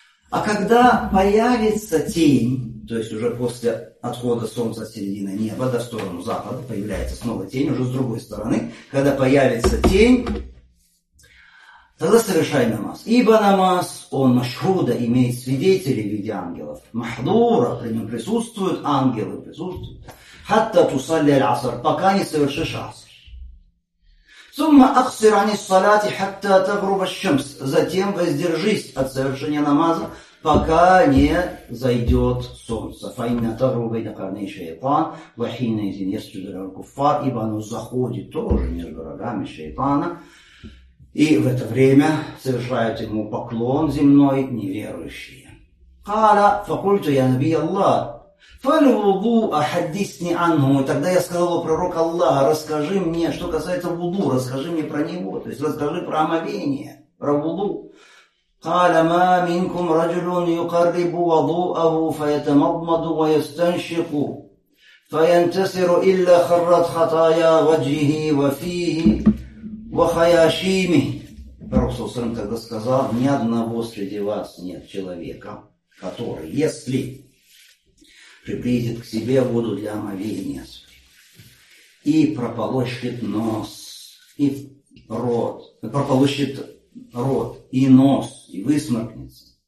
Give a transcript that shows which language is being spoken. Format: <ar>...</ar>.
<ru>А когда появится тень, то есть уже после отхода солнца от середины неба, да, в сторону запада, появляется снова тень, уже с другой стороны, когда появится тень, тогда совершай намаз. Ибо намаз, он машхуда, имеет свидетелей в виде ангелов. Махдура, при нем присутствуют ангелы, присутствуют.</ru> <ar>حَتَّى تُصَلِّ الْعَصْرَ,</ar> <ru>пока не совершишь аср.</ru> <ar>ثم اقصر عن الصلاه حتى تغرب الشمس.</ar> <ru>Затем воздержись от совершения намаза, пока не зайдет солнце.</ru> <ar>فإنه تغرب إذا قرن الشيطان وحين يسجد الكفار.</ar> <ru>Ибо оно заходит тоже между рогами шайтана, и в это время совершают ему поклон земной неверующие.</ru> <ar>قال فقلت يا نبي الله فالوضوء حدثني عنه.</ar> <ru>И тогда я сказал: пророк Аллаха, расскажи мне, что касается вуду, расскажи мне про него, то есть расскажи про омовение, про вуду.</ru> <ar>قال ما منكم رجل يقرب وضوءه فيتمضمض ويستنشق فينتصر إلا خرت خطايا وجهه وفيه وخياشيمه.</ar> <ru>Пророк Сусан тогда сказал: ни одного среди вас нет человека, который, если приблизит к себе воду для омовения и прополощет нос и рот, прополощет рот и нос и высморкнется,</ru>